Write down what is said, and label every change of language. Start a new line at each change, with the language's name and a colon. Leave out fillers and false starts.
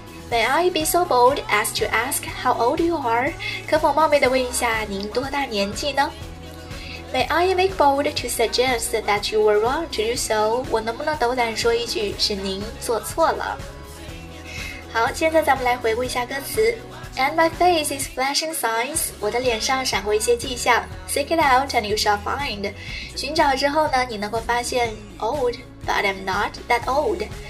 English: May I be so bold as to ask how old you are?
Chinese: 可否冒昧地问一下您多大年纪呢？
English: May I make bold to suggest that you were wrong to do so?
Chinese: 我能不能斗胆说一句是您做错了？好，现在咱们来回顾一下歌词。
English: And my face is flashing signs.
Chinese: 我的脸上闪过一些迹象。
English: Seek it out and you shall find.
Chinese: 寻找之后呢，你能够发现
English: Old, but I'm not that old.